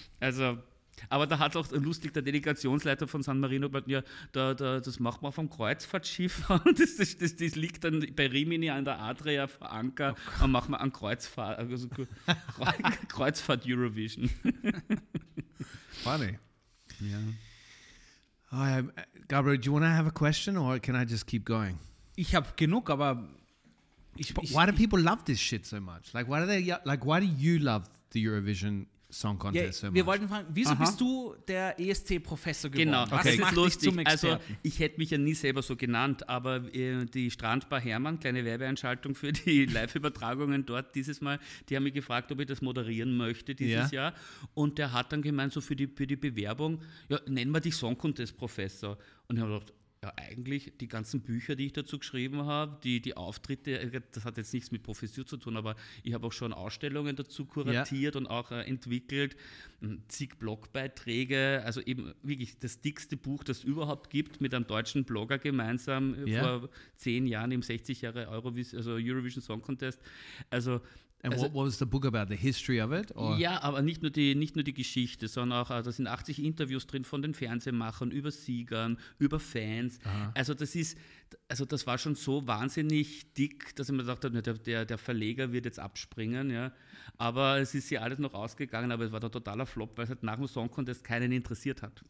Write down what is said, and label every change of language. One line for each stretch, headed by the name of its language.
German: Also, aber da hat auch lustig der Delegationsleiter von San Marino gesagt, ja, das macht man vom Kreuzfahrtschiff und das liegt dann bei Rimini an der Adria vor Anker und macht man an Kreuzfahrt, also Kreuzfahrt Eurovision.
English: Funny. Yeah. Oh, Gabriel, do you want to have a question or can I just keep going?
German: Ich habe genug, aber
English: why do people love this shit so much? Like, why do you love the Eurovision Song Contest so much?
German: Wir wollten fragen, wieso bist du der ESC-Professor geworden? Genau, okay. Was macht dich zum Experten? Also, ich hätte mich ja nie selber so genannt, aber die Strandbar Hermann, kleine Werbeeinschaltung für die Live-Übertragungen dort dieses Mal, die haben mich gefragt, ob ich das moderieren möchte dieses Jahr. Und der hat dann gemeint, so für die Bewerbung, ja, nennen wir dich Song Contest-Professor. Und ich habe gedacht, ja, eigentlich die ganzen Bücher, die ich dazu geschrieben habe, die Auftritte, das hat jetzt nichts mit Professur zu tun, aber ich habe auch schon Ausstellungen dazu kuratiert und auch entwickelt, zig Blogbeiträge, also eben wirklich das dickste Buch, das es überhaupt gibt, mit einem deutschen Blogger gemeinsam vor 10 Jahren im 60 Jahre Eurovision Song Contest. Also,
English: What was the book about, the history of it? Or?
German: Ja, aber nicht nur die Geschichte, sondern auch, also da sind 80 Interviews drin von den Fernsehmachern, über Siegern, über Fans. Aha. Also das war schon so wahnsinnig dick, dass ich mir gedacht habe, der Verleger wird jetzt abspringen. Ja. Aber es ist ja alles noch ausgegangen, aber es war der totaler Flop, weil es halt nach dem Song Contest keinen interessiert hat.